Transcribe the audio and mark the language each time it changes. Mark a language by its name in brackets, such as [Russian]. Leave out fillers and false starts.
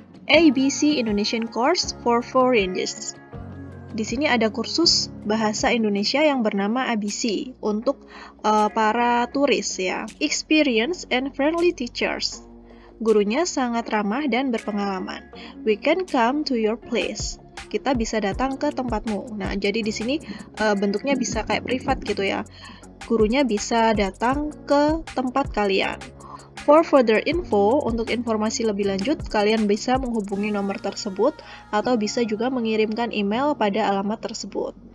[English] ABC Indonesian Course for Foreigners. [Indonesian] Di sini ada kursus bahasa Indonesia yang bernama ABC untuk para turis ya. [English] Experience and friendly teachers. [Indonesian] Gurunya sangat ramah dan berpengalaman. [English] We can come to your place. [Indonesian] Kita bisa datang ke tempatmu. Nah, jadi di sini bentuknya bisa kayak privat gitu ya. Gurunya bisa datang ke tempat kalian. [English] For further info, [Indonesian] untuk informasi lebih lanjut, kalian bisa menghubungi nomor tersebut atau bisa juga mengirimkan email pada alamat tersebut.